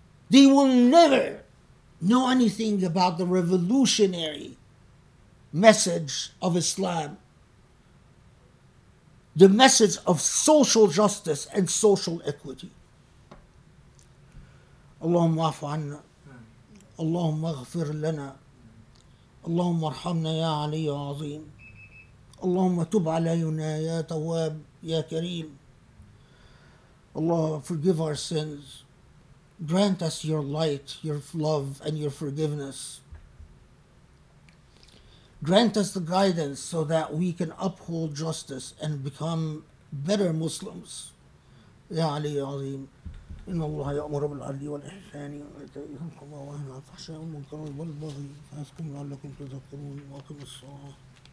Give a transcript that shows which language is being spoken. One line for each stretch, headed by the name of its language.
English: They will never know anything about the revolutionary message of Islam, the message of social justice and social equity.
Arabic: اللهم اعف عنا اللهم اغفر لنا اللهم ارحمنا يا علي العظيم اللهم تب علينا يا تواب يا كريم الله
English: forgive our sins grant us your light, your love, and your forgiveness. Grant us the guidance so that we can uphold justice and become better Muslims.
Arabic: Ya Ali Azim. إن الله يأمر بالعدل والإحسان وإيتاء ذي القربى وينهى عن الفحشاء والمنكر والبغي يعظكم لعلكم تذكرون وأقم الصلاة